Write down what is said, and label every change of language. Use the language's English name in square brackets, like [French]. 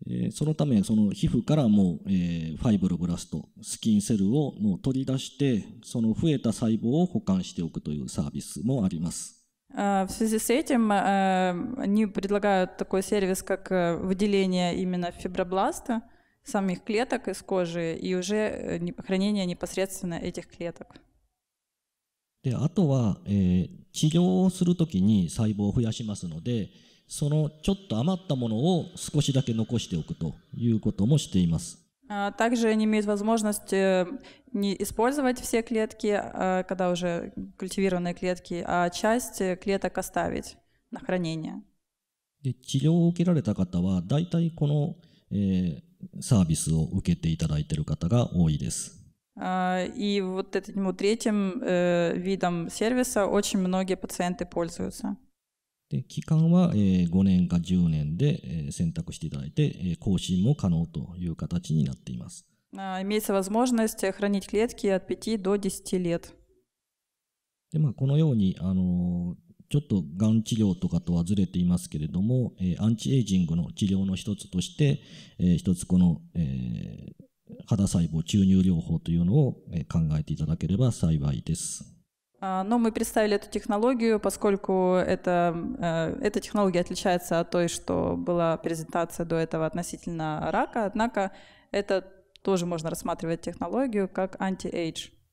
[Japanese] そのため、その皮膚からもう、ファイブロブラスト、スキンセルをもう取り出して、その増えた細胞を保管しておくというサービスもあります。 [Russian] В связи с этим они предлагают такой сервис, как выделение именно фибробласта. Самих клеток из кожи и уже хранение непосредственно этих клеток. [Japanese] で、あとは、治療をするときに細胞を増やしますので、そのちょっと余ったものを少しだけ残しておくということもしています。 [Russian] Также они имеют возможность не использовать все клетки, когда уже культивированные клетки, а часть клеток оставить на хранение. [Japanese] で、治療を受けられた方は、大体この、サービスを受けていただいている方が多いです。 [Russian] И вот этим третьим видом сервиса очень многие пациенты пользуются. [Japanese] で、期間は5年か10年で選択していただいて、更新も可能という形になっています。 [Russian] Имеется возможность хранить клетки от 5 до 10 лет. [Japanese] で、まあ、このようにちょっとがん治療とかとはずれていますけれども、アンチエイジングの治療の一つとして、一つこの、肌細胞注入療法というのを考えていただければ幸いです。 [Russian] Но мы представили эту технологию, поскольку эта технология отличается от той, что была презентация до этого относительно рака, однако это тоже можно рассматривать технологию как анти-эйдж.